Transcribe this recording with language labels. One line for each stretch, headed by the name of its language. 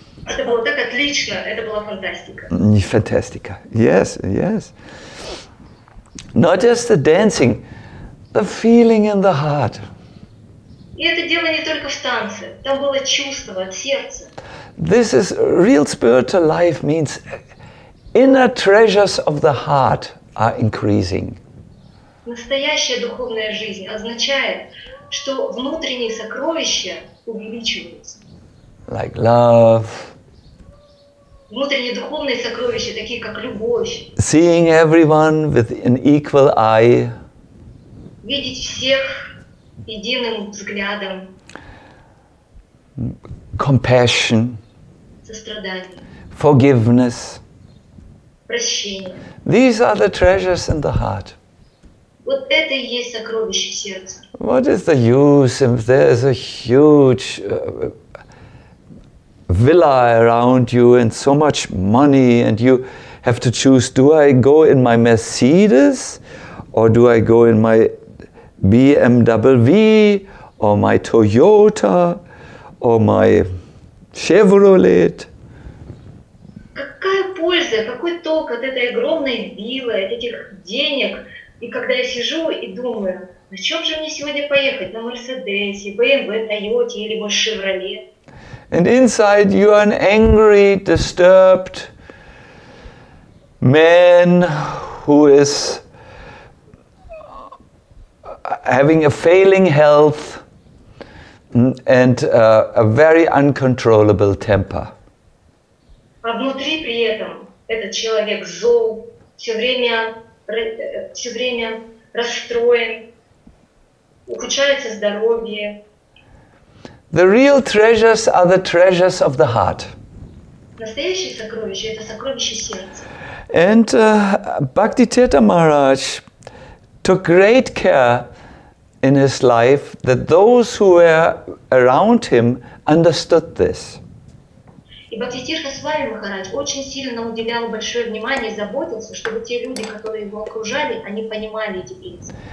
Russian: Это было так отлично, это была фантастика.
English: Фантастика, yes, yes. Not just the dancing, the feeling in the heart.
Russian: И это дело не только в танце, там было чувство от сердца.
English: This is real spiritual life means inner treasures of the heart are increasing.
Russian: Настоящая духовная жизнь означает, что внутренние сокровища увеличиваются.
English: Like love.
Russian: Внутренние духовные сокровища, такие как любовь.
English: Seeing everyone with an equal eye.
Russian: Видеть всех единым взглядом.
English: Compassion.
Russian: Сострадание.
English: Forgiveness.
Russian: Прощение.
English: These are the treasures in the heart.
Russian: Вот это и есть сокровища в сердце.
English: What is the use if there's a huge villa around you and so much money and you have to choose, do I go in my Mercedes or do I go in my BMW or my Toyota or my Chevrolet?
Russian: Какая польза, какой толк от этой огромной виллы, от этих денег? И когда я сижу и думаю, на чем же мне сегодня поехать? На Мерседесе, BMW, Toyota или мой Chevrolet?
English: And inside you are an angry, disturbed man who is having a failing health and a very uncontrollable temper.
Russian: А внутри при этом этот человек зол, все время расстроен, ухудшается здоровье.
English: The real treasures are the treasures of the heart.
Russian: Настоящие сокровища – это сокровища сердца.
English: And Bhaktitirtha Maharaj took great care in his life that those who were around him understood this.
Russian: И Бхактитирта Свами Махарадж очень сильно уделял большое внимание, заботился, чтобы те люди, которые его окружали, они понимали эти принципы.